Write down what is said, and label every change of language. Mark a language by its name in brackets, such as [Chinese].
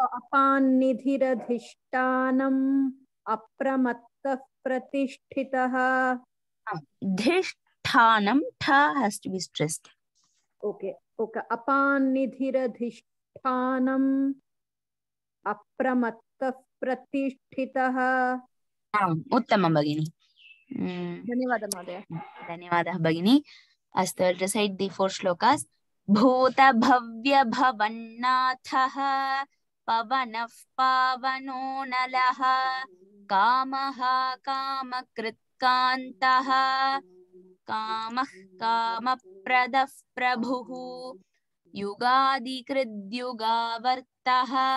[Sanskrit] अपान्निधिरधिष्ठानम् अप्रमत्तः प्रतिष्ठितः. धिष्ठानम् [English] ठ has to be stressed. Okay okay. [Sanskrit] अपान्निधिरधिष्ठानम् अप्रमत्तः प्रतिष्ठितः. उत्तमं भगिनी. धन्यवाद महोदय. धन्यवाद भगिनी. अस्तु [English] Recite the four shlokas. [Sanskrit] भूत भव्य भवन्नाथः पवनः पावनो नलः कामः कामकृत्कान्तः कामः कामप्रदः प्रभुः युगादिकृद्युगावर्तः